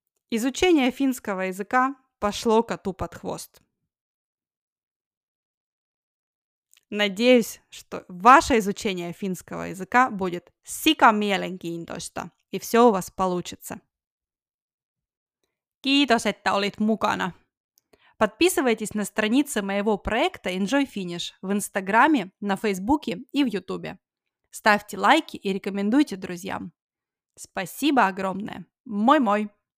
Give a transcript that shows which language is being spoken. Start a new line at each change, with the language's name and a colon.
Russian: Изучение финского языка пошло коту под хвост. Надеюсь, что ваше изучение финского языка будет
Finnish: сика mielenkiintoista,
Russian: и все у вас получится.
Finnish: Kiitos, että olit mukana.
Russian: Подписывайтесь на страницы моего проекта Enjoy Finnish в Инстаграме, на Фейсбуке и в Ютубе. Ставьте лайки и рекомендуйте друзьям. Спасибо огромное.
Finnish: Мой-мой.